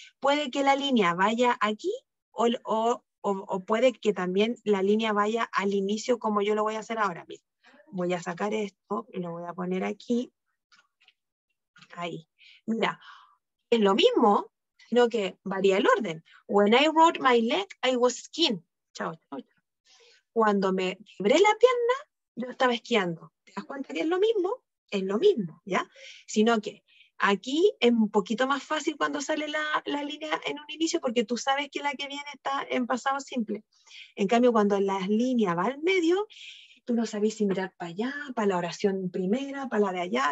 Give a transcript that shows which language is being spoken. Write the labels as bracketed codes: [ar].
[es] Puede que la línea vaya aquí o puede que también la línea vaya al inicio, como yo lo voy a hacer ahora mismo. Voy a sacar esto y lo voy a poner aquí. Ahí. Mira, es lo mismo, sino que varía el orden. [en] When I rode my leg, I was skiing. [es] Chao, chao, chao. Cuando me quebré la pierna, yo estaba esquiando. ¿Te das cuenta que es lo mismo? Es lo mismo, ¿ya? Sino que aquí es un poquito más fácil cuando sale la línea en un inicio, porque tú sabes que la que viene está en pasado simple. En cambio, cuando la línea va al medio, tú no sabes si mirar para allá, para la oración primera, para la de allá.